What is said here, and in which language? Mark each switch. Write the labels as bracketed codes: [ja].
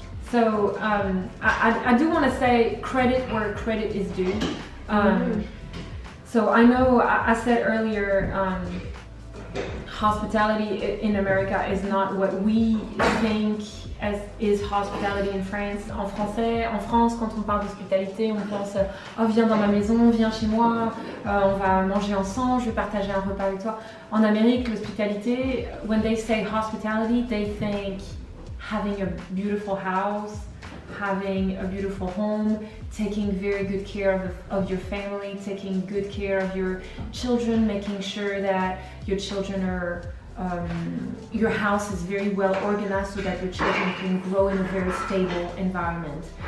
[en] So I do want to say credit where credit is due. So I know I said earlier, hospitality in America is not what we think as is hospitality in France. [fr] En français, en France, quand on parle d'hospitalité, on pense, oh, viens dans ma maison, viens chez moi, on va manger ensemble, je vais partager un repas avec toi. En Amérique, l'hospitalité, [en] when they say hospitality, they think having a beautiful house, having a beautiful home, taking very good care of your family, taking good care of your children, making sure that your children are, your house is very well organized so that your children can grow in a very stable environment.